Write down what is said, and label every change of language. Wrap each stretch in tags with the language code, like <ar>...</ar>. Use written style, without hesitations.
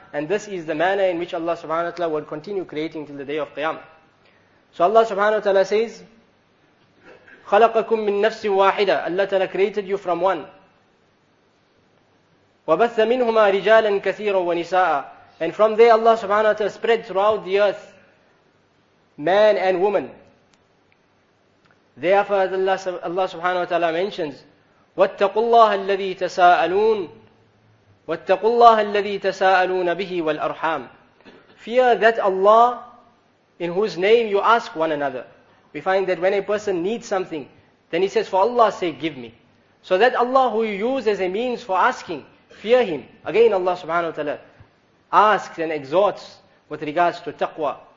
<en>And this is the manner in which Allah subhanahu wa ta'ala will continue creating till the day of Qiyamah. So Allah subhanahu wa ta'ala says,</en> <ar>خَلَقَكُم مِّن نَفْسٍ وَاحِدًا.</ar> <en>Allah ta'ala created you from one.</en> <ar>وَبَثَّ مِنْهُمَا رِجَالًا كَثِيرًا وَنِسَاءً.</ar> <en>And from there Allah subhanahu wa ta'ala spread throughout the earth man and woman. Therefore Allah subhanahu wa ta'ala mentions,</en> <ar>وَاتَّقُوا اللَّهَ الَّذِي تَسَاءَلُونَ وَاتَّقُوا اللَّهَ الَّذِي تَسَاءَلُونَ بِهِ وَالْأَرْحَامِ.</ar> <en>Fear that Allah in whose name you ask one another. We find that when a person needs something, then he says, for Allah's sake, give me. So that Allah who you use as a means for asking, fear Him. Again Allah subhanahu wa ta'ala asks and exhorts with regards to taqwa.</en>